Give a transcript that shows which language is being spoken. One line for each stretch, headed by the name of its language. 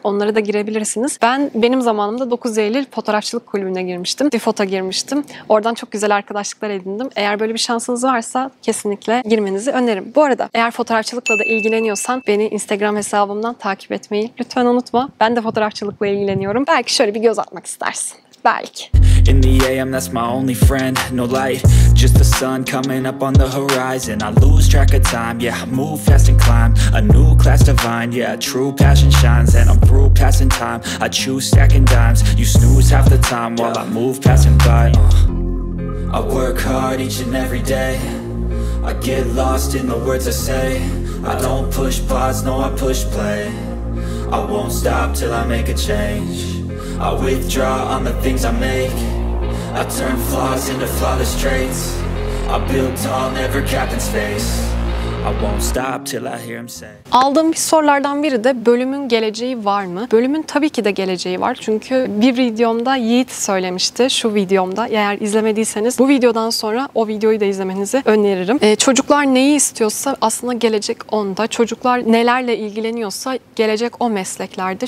Turkish: Onlara da girebilirsiniz. Benim zamanımda 9 Eylül Fotoğrafçılık Kulübü'ne girmiştim. DIFOT'a girmiştim. Oradan çok güzel arkadaşlıklar edindim. Eğer böyle bir şansınız varsa kesinlikle girmenizi öneririm. Bu arada eğer fotoğrafçılıkla da ilgileniyorsan beni Instagram hesabımdan takip etmeyi lütfen unutma. Ben de fotoğrafçılıkla ilgileniyorum. Belki şöyle bir göz atmak istersin. Belki.
English: In the AM, that's my only friend. No light, just the sun coming up on the horizon. I lose track of time, yeah, I move fast and climb. A new class divine, yeah, true passion shines. And I'm through passing time, I choose stacking dimes. You snooze half the time while I move passing by. I work hard each and every day. I get lost in the words I say. I don't push pause, no, I push play. I won't stop till I make a change. I withdraw on the things I make. I turn flaws into flawless traits. I build tall, never capped in space. I won't stop till I hear him say.
Turkish: Aldığım bir sorulardan biri de bölümün geleceği var mı? Bölümün tabii ki de geleceği var. Çünkü bir videomda Yiğit söylemişti şu videomda. Eğer izlemediyseniz bu videodan sonra o videoyu da izlemenizi öneririm. Çocuklar neyi istiyorsa aslında gelecek onda. Çocuklar nelerle ilgileniyorsa gelecek o mesleklerde.